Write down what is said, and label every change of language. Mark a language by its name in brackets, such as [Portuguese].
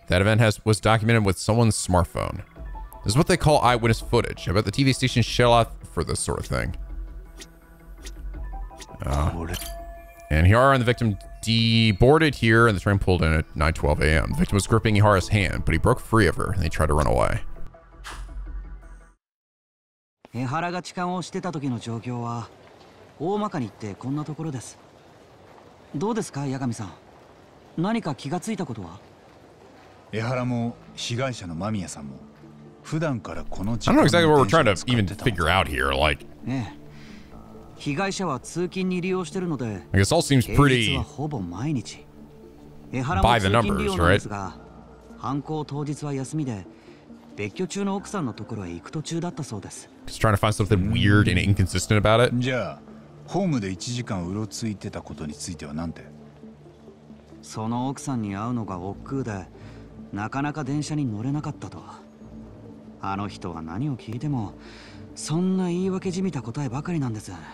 [English] That event was documented with someone's smartphone. This is what they call eyewitness footage. I bet the TV station shell out for this sort of thing. And Ehara and the victim deboarded here, and the train pulled in at 9:12 a.m. The victim was gripping Ihara's hand, but he broke free of her, and they tried to run away. [Japanese] Ehara が痴漢をしてた時の状況は、大まかに言ってこんなところです。どうですか、八神さん。何か気がついたことは？ Ehara も被害者の間宮さんも、普段からこの痴漢の電車を使ってたの。 [English] I don't know exactly what we're trying to even figure out here, like... [Japanese] 被害者は通勤に利用しているので、平日はほぼ毎日。エハラも通勤利用なんですが、犯行当日は休みで、別居中の奥さんのところへ行く途中だったそうです。 [English] Just trying to find something weird and inconsistent about it. [Japanese] じゃあ、ホームで1時間うろついてたことについては何て？その奥さんに会うのが億劫で、なかなか電車に乗れなかったと。あの人は何を聞いても、そんな言い訳じみた答えばかりなんです。